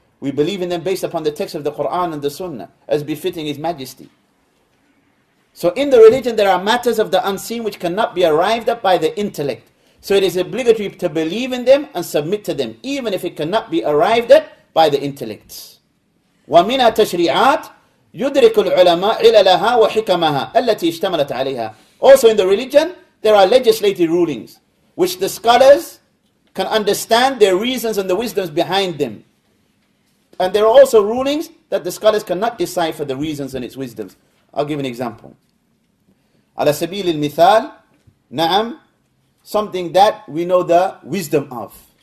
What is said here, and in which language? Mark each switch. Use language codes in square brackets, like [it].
[en] We believe in them based upon the text of the Quran and the Sunnah, as befitting His Majesty. So in the religion, there are matters of the unseen which cannot be arrived at by the intellect. So it is obligatory to believe in them and submit to them, even if it cannot be arrived at by the intellects. [ar] وَمِنَا تَشْرِعَاتِ يدرك العلماء عللها وحكمها التي اشتملت عليها. [en] Also in the religion, there are legislative rulings which the scholars can understand their reasons and the wisdoms behind them. And there are also rulings that the scholars cannot decipher the reasons and its wisdoms. I'll give an example. [ar] على سبيل المثال, نعم, [en] something that we know the wisdom of.